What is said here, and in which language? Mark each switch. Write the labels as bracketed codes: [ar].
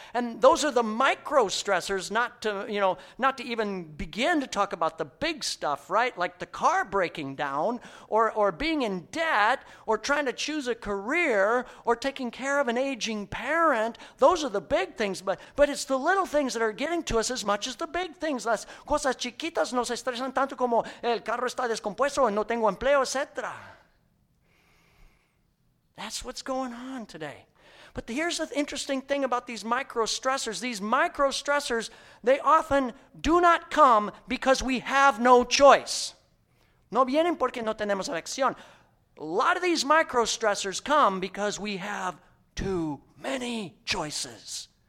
[en] And those are the micro stressors, not to even begin to talk about the big stuff, right? Like the car breaking down, or being in debt, or trying to choose a career, or taking care of an aging parent. Those are the big things, but it's the little things that are getting to us as much as the big things. [es] Las cosas chiquitas nos estresan tanto como el carro está descompuesto, no tengo empleo, etc. [en] That's what's going on today. But here's the interesting thing about these micro stressors. These micro stressors, they often do not come because we have no choice. [es] No vienen porque no tenemos elección. [en] A lot of these micro stressors come because we have too many choices.